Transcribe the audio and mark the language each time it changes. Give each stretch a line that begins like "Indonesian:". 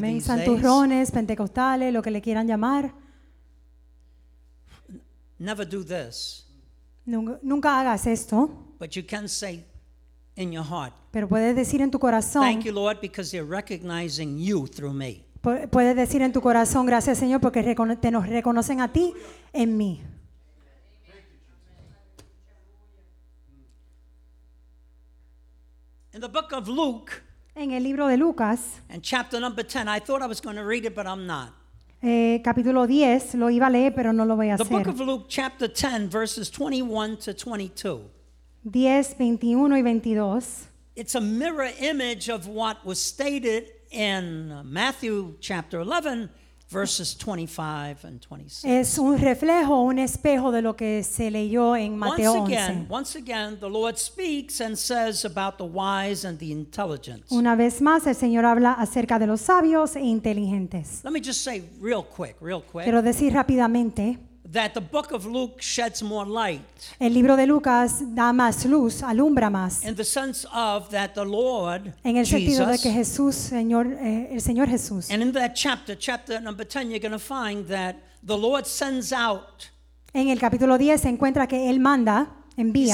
English: these
Spanish: santurrones, pentecostales, lo que le quieran llamar.
English: Never do this.
Spanish: Nunca hagas esto.
English: But you can say in your heart.
Spanish: Pero puedes decir en tu corazón.
English: Thank you, Lord, because they're recognizing you through me.
Spanish: Puedes decir en tu corazón, gracias, Señor, porque te nos reconocen a ti en mí.
English: In the book of Luke,
Spanish: en el libro de Lucas,
English: and chapter number 10, I thought I was going to read it, but I'm not.
Spanish: Capítulo 10, lo iba a leer, pero no lo voy a
English: the
Spanish: hacer.
English: The book of Luke, chapter 10, verses 21 to 22.
Spanish: 10, 21 y 22.
English: It's a mirror image of what was stated in Matthew, chapter 11, verses 25 and 26.
Spanish: Es un reflejo, un espejo de lo que se leyó en Mateo 11.
English: Once again, the Lord speaks and says about the wise and the intelligent.
Spanish: Una vez más, el Señor habla acerca de los sabios e inteligentes.
English: Let me just say real quick.
Spanish: Quiero decir rápidamente.
English: That the book of Luke sheds more light.
Spanish: El libro de Lucas da más luz, alumbra más.
English: In the sense of that the Lord,
Spanish: en el sentido
English: Jesus,
Spanish: de que Jesús, Señor, el Señor Jesús.
English: And in that chapter number 10, you're going to find that the Lord sends out.
Spanish: En el capítulo 10 se encuentra que Él manda, envía.